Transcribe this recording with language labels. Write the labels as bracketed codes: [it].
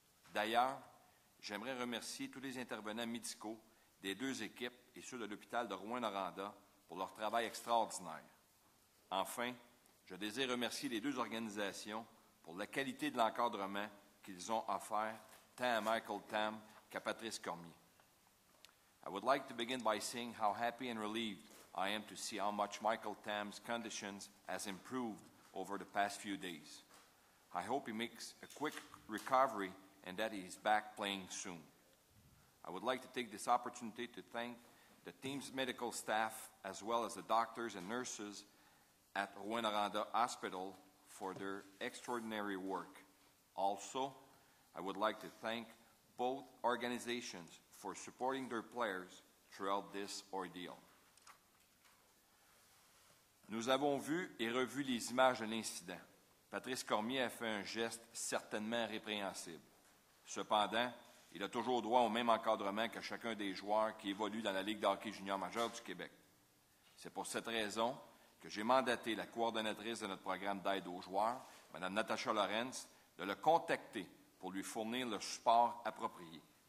[fr] D'ailleurs, j'aimerais remercier tous les intervenants médicaux des deux équipes et ceux de l'hôpital de Rouyn-Noranda pour leur travail extraordinaire. Enfin, je désire remercier les deux organisations pour la qualité de l'encadrement qu'ils ont offert tant à Michael Tam qu'à Patrice Cormier. [en] I would like to begin by saying how happy and relieved I am to see how much Michael Tam's conditions has improved over the past few days. I hope he makes a quick recovery and that he is back playing soon. I would like to take this opportunity to thank the team's medical staff as well as the doctors and nurses at Rouyn-Noranda Hospital for their extraordinary work. Also, I would like to thank both organizations for supporting their players throughout this ordeal. [fr] Nous avons vu et revu les images de l'incident. Patrice Cormier a fait un geste certainement répréhensible. Cependant, il a toujours droit au même encadrement que chacun des joueurs qui évoluent dans la Ligue de hockey junior majeur du Québec. C'est pour cette raison que j'ai mandaté la coordonnatrice de notre programme d'aide aux joueurs, Mme Natasha Lorenz, de le contacter pour lui fournir le support approprié.